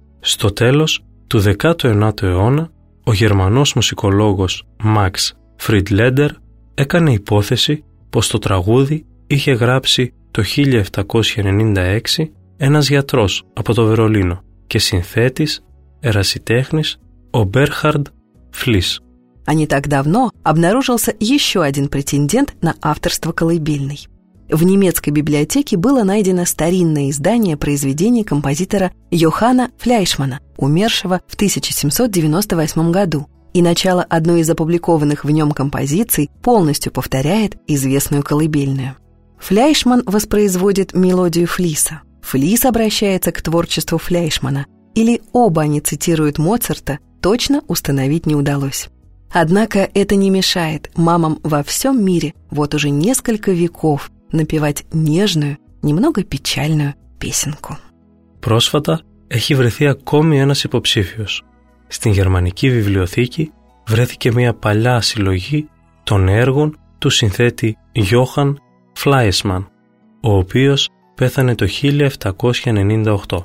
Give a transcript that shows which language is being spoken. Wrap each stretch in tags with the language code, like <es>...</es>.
<el>Στο τέλος του 19ου αιώνα, ο γερμανός μουσικολόγος Max Friedländer έκανε υπόθεση πως το τραγούδι είχε γράψει το 1796 ένας γιατρός από το Βερολίνο και συνθέτης, ερασιτέχνης, ο Bernhard Fliss.</el> <ru>А не так давно обнаружился еще один претендент на авторство колыбельной. В немецкой библиотеке было найдено старинное издание произведения композитора Йохана Фляйшмана, умершего в 1798 году, и начало одной из опубликованных в нем композиций полностью повторяет известную колыбельную. Фляйшман воспроизводит мелодию Флиса. Флис обращается к творчеству Фляйшмана, или оба они цитируют Моцарта, точно установить не удалось. Однако это не мешает мамам во всем мире вот уже несколько веков напевать нежную, немного печальную песенку.</ru> <el>Πρόσφατα έχει βρεθεί ακόμη ένας υποψήφιος. Στην γερμανική βιβλιοθήκη βρέθηκε μια παλιά συλλογή των έργων του συνθέτη Johann Fleischmann, ο οποίος πέθανε το 1798.</el>